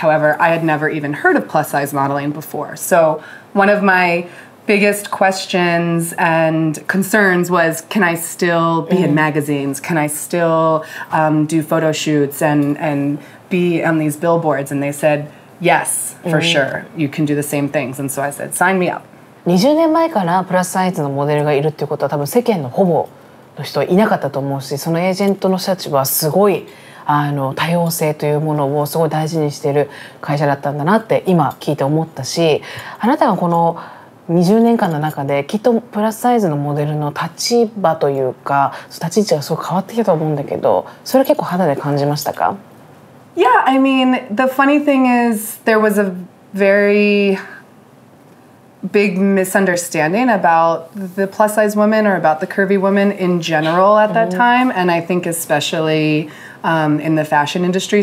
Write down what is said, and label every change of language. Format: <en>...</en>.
<en>However, I had never even heard of plus size modeling before. So one of my biggest questions and concerns was, can I still be in magazines? Can I still do photo shoots and be on these billboards? And they said, yes, for sure. You can do the same things. And so I said, sign me up.</en> <ja>20年前からプラスサイズのモデルがいるっていうことは、多分世間のほぼの人はいなかったと思うし、そのエージェントの社長はすごい多様性というものをすごい大事にしている会社だったんだなって今聞いて思ったし、あなたがこの20年間の中できっとプラスサイズのモデルの立場というか、その立ち位置がすごい変わってきたと思うんだけど、それ結構肌で感じましたか？</ja> <en>Yeah, I mean, the funny thing is there was a very... big misunderstanding about the plus size women or about the curvy women in general at that time, and I think especially in the fashion industry.</en>